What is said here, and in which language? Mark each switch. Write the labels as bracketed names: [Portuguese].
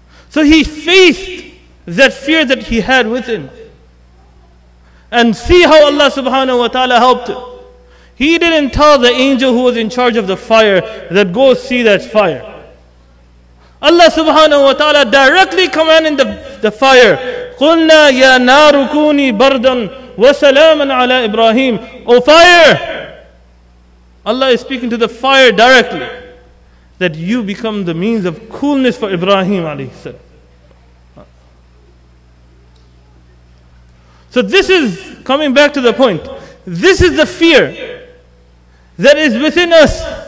[English] So he faced that fear that he had within. And see how Allah subhanahu wa ta'ala helped him. He didn't tell the angel who was in charge of the fire that go see that fire. Allah subhanahu wa ta'ala directly commanded the fire. [Arabic] قُلْنَا يَا نَارُ كُونِي بَرْدًا وَسَلَامًا عَلَىٰ إِبْرَاهِيمٍ [English] O fire! Allah is speaking to the fire directly that you become the means of coolness for Ibrahim alayhi salam. So this is, coming back to the point, this is the fear that is within us.